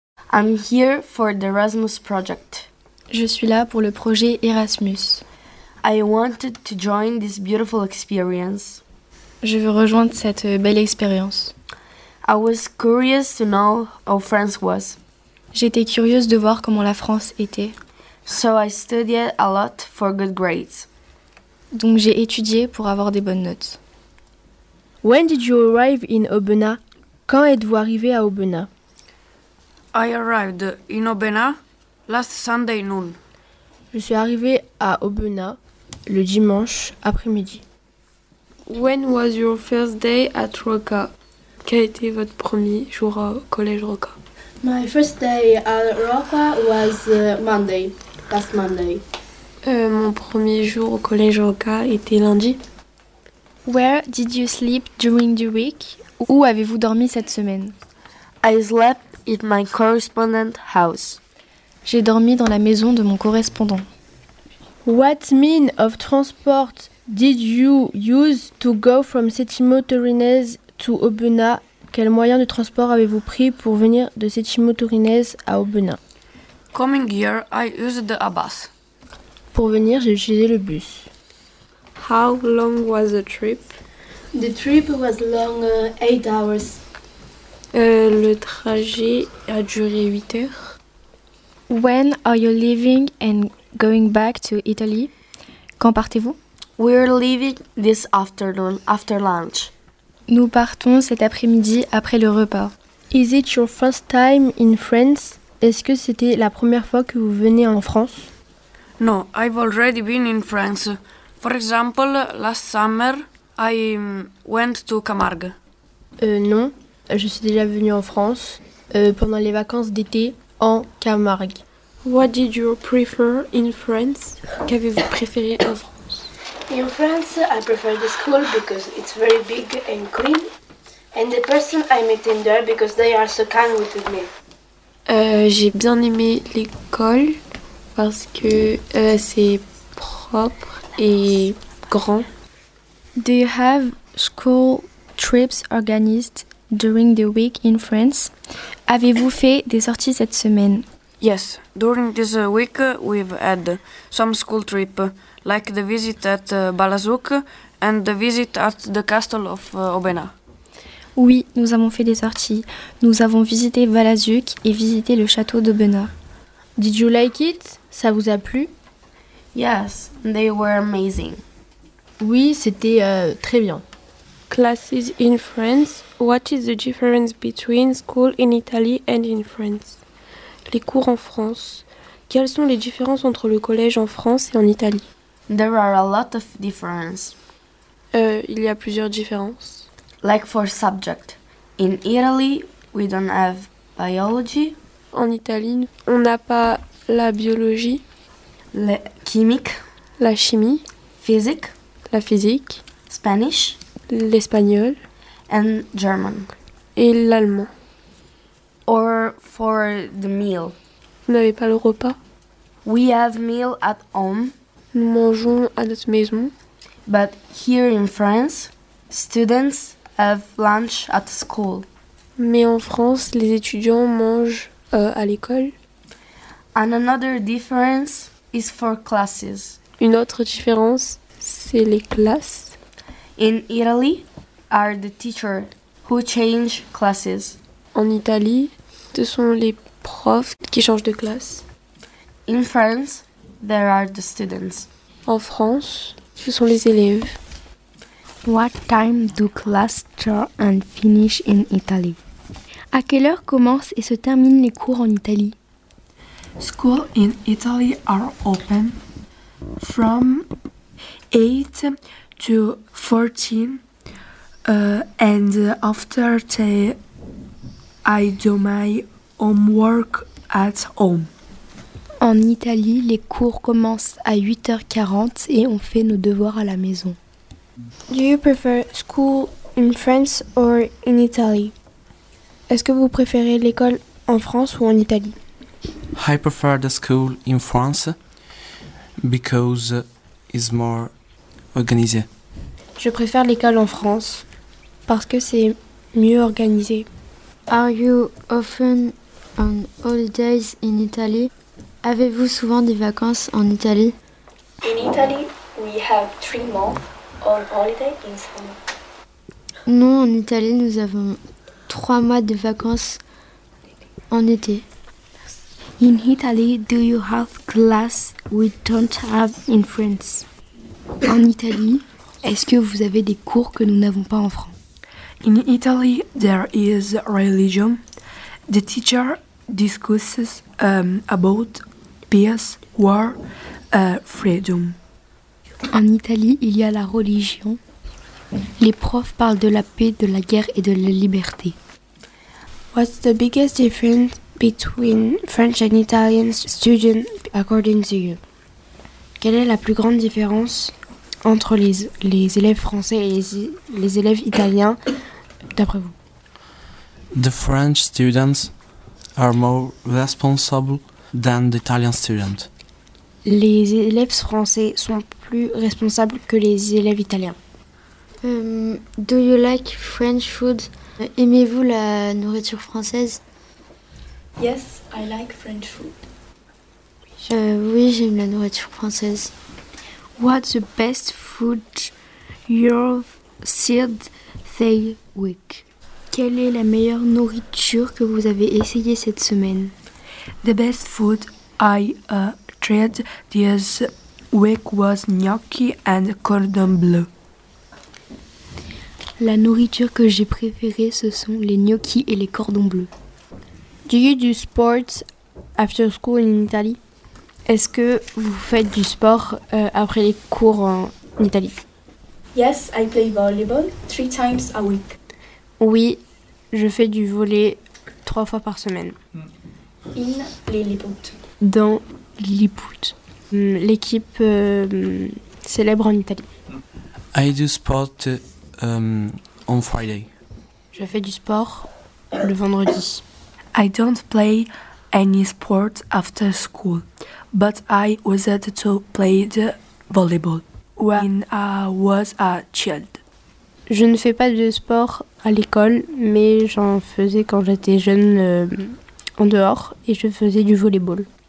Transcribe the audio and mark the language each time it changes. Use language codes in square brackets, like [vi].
[en] I'm here for the Erasmus project. [fr] Je suis là pour le projet Erasmus. [en] I wanted to join this beautiful experience. [fr] Je veux rejoindre cette belle expérience. [en] I was curious to know how France was. [fr] J'étais curieuse de voir comment la France était. [en] So I studied a lot for good grades. [fr] Donc j'ai étudié pour avoir des bonnes notes. [en] When did you arrive in Aubenas? [fr] Quand êtes-vous arrivé à Aubenas? [en] I arrived in Aubenas last Sunday noon. [fr] Je suis arrivé à Aubenas le dimanche après-midi. [en] When was your first day at Rocca? [fr] Quel était votre premier jour au collège Rocca? [en] My first day at Rocca was Monday, last Monday. [fr] Mon premier jour au collège Rocca était lundi. [en] Where did you sleep during the week? [fr] Où avez-vous dormi cette semaine? [en] I slept in my correspondent house. [fr] J'ai dormi dans la maison de mon correspondant. [en] What means of transport did you use to go from Settimo Torinese to Aubenas? [fr] Quel moyen de transport avez-vous pris pour venir de Settimo Torinese à Aubenas? [en] Coming here, I used a bus. [fr] Pour venir, j'ai utilisé le bus. [en] How long was the trip? The trip was long 8 hours. [fr] Le trajet a duré 8 heures. [en] When are you leaving and going back to Italy? [fr] Quand partez-vous? [en] We're leaving this afternoon after lunch. [fr] Nous partons cet après-midi après le repas. [en] Is it your first time in France? [fr] Est-ce que c'était la première fois que vous venez en France? [en] No, I've already been in France. For example, last summer, I went to Camargue. [fr] Non, je suis déjà venue en France pendant les vacances d'été en Camargue. [en] What did you prefer in France? [fr] Qu'avez-vous préféré en France? [en] In France, I prefer the school because it's very big and clean. And the person I met in there because they are so kind with me. [fr] J'ai bien aimé l'école parce que c'est propre et grand. [en] Do you have school trips organized during the week in France? [fr] Avez-vous fait des sorties cette semaine? [en] Yes, during this week we've had some school trip, like the visit at Balazouk and the visit at the castle of Aubenas. [fr] Oui, nous avons fait des sorties. Nous avons visité Balazouk et visité le château d'Aubenas. [en] Did you like it? [fr] Ça vous a plu? [en] Yes, they were amazing. [fr] Oui, c'était très bien. [en] Classes in France, what is the difference between school in Italy and in France? [fr] Les cours en France. Quelles sont les différences entre le collège en France et en Italie? [en] There are a lot of differences. [fr] Il y a plusieurs différences. [en] Like for subject. In Italy, we don't have biology. [fr] En Italie, on n'a pas la biologie. La chimique. La chimie. Physique. La physique. [en] Spanish. [fr] L'espagnol. [en] And German. [fr] Et l'allemand. [en] Or for the meal. [fr] Vous n'avez pas le repas? [en] We have meal at home. [fr] Nous mangeons à notre maison. [en] But here in France, students have lunch at school. [fr] Mais en France, les étudiants mangent à l'école. [en] And another difference is for classes. [fr] Une autre différence, c'est les classes. [en] In Italy, are the teachers who change classes. [fr] En Italie, ce sont les profs qui changent de classe. [en] In France, there are the students. [fr] En France, ce sont les élèves. [en] What time do class start and finish in Italy? [fr] À quelle heure commencent et se terminent les cours en Italie? [en] School in Italy are open from 8 to 14 and after that I do my homework at home. [fr] En Italie, les cours commencent à 8h40 et on fait nos devoirs à la maison. [en] Do you prefer school in France or in Italy? [fr] Est-ce que vous préférez l'école en France ou en Italie? [en] I prefer the school in France because it's more organized. [fr] Je préfère l'école en France parce que c'est mieux organisé. [en] Are you often on holidays in Italy? [fr] Avez-vous souvent des vacances en Italie? [en] In Italy, we have 3 months on holiday in summer. [fr] Non, en Italie, nous avons 3 mois de vacances en été. [en] In Italy, do you have class we don't have in France? [fr] En Italie, est-ce que vous avez des cours que nous n'avons pas en France? [en] In Italy, there is religion. The teacher discusses about peace, war, freedom. [fr] En Italie, il y a la religion. Les profs parlent de la paix, de la guerre et de la liberté. [en] What's the biggest difference between French and Italian students, according to you? [fr] Quelle est la plus grande différence entre les élèves français et les élèves italiens, d'après vous? [en] The French students are more responsible than the Italian students. [fr] Les élèves français sont plus responsables que les élèves italiens. [en] Do you like French food? [fr] Aimez-vous la nourriture française? [en] Yes, I like French food. [fr] Oui, j'aime la nourriture française. [en] What's the best food you've seen this week? [fr] Quelle est la meilleure nourriture que vous avez essayée cette semaine? [en] The best food I tried this week was gnocchi and cordon bleu. [fr] La nourriture que j'ai préférée, ce sont les gnocchi et les cordons bleus. [en] Do you do sports after school in Italy? [fr] Est-ce que vous faites du sport après les cours en Italie? [en] Yes, I play volleyball 3 times a week. [fr] Oui, je fais du volley 3 fois par semaine. [en] In Lilliput. [fr] Dans Lilliput. L'équipe célèbre en Italie. [en] I do sport on Friday. [fr] Je fais du sport le vendredi. [en] I don't play any sport after school, but I used to play the volleyball when I was a child. [fr] Je ne fais pas de sport à l'école, mais j'en faisais quand j'étais jeune en dehors et je faisais du volleyball.